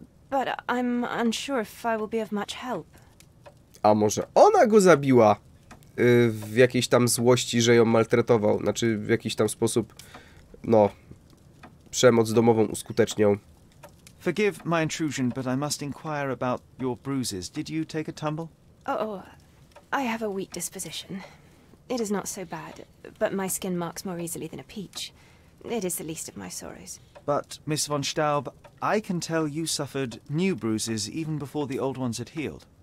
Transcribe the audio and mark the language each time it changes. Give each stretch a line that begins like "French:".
English: But I'm unsure if I will be of much help.
Polish: A może ona go zabiła w jakiejś tam złości, że ją maltretował, znaczy w jakiś tam sposób, no, przemoc domową uskuteczniał.
English: Forgive my intrusion, but I must inquire about your bruises. Did you take a tumble? Oh, I have a weak disposition. It is not so bad, but my skin marks more easily than a peach. It is the least of my sorrows. But, Miss von Staub, I can tell you suffered new bruises even before the old ones had healed.